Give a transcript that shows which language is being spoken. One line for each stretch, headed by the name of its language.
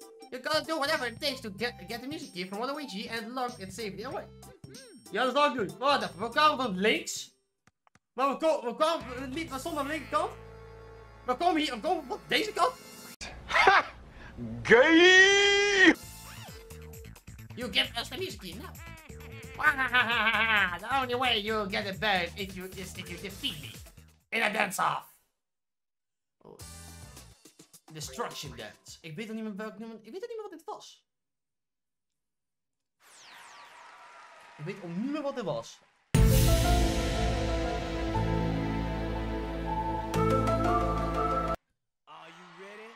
English: You gotta do whatever it takes to get the music key from Waluigi and lock it safely away.
Dutch: Ja, dat is wel goed. Wacht even, we kwamen van links. Maar we stonden aan de linkerkant. We komen van deze kant.
English: Ha! Gay! You give us the music key now. The only way you get it back is if you defeat me in a dance-off. Oh. Destruction dance.
Dutch: Ik weet nog niet meer welk nummer. Ik weet nog niet meer wat dit was. Ik weet nog niet meer wat dit was.
English: Are you ready?